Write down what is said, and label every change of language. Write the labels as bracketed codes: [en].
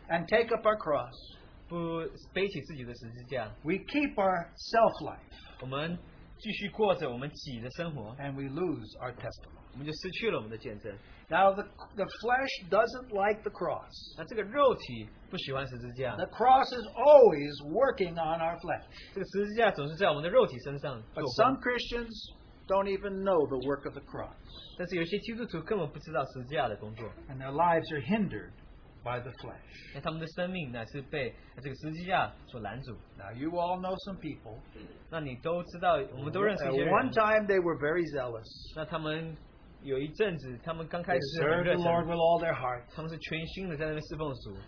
[en] and take up our cross. [zh] 不背起自己的十字架, [en] we keep our self life. [zh] 我们继续过着我们己的生活, [en] and we lose our testimony. [zh] 我们就失去了我们的见证。 [en] Now the flesh doesn't like the cross. [zh] 那这个肉体不喜欢十字架。 [en] The cross is always working on our flesh. [zh] 这个十字架总是在我们的肉体身上做工。 [en] But some Christians don't even know the work of the cross. [zh] 但是有些基督徒根本不知道十字架的工作。 [en] And their lives are hindered by the flesh. [zh] 那他们的生命呢是被这个十字架所拦阻。 [en] Now you all know some people. [zh] 那你都知道，我们都认识一些人。 [en] At one time they were very zealous. [zh] 那他们有一阵子，他们刚开始 [en] They served the Lord with all their heart. [zh] 他们是全心的在那边侍奉主。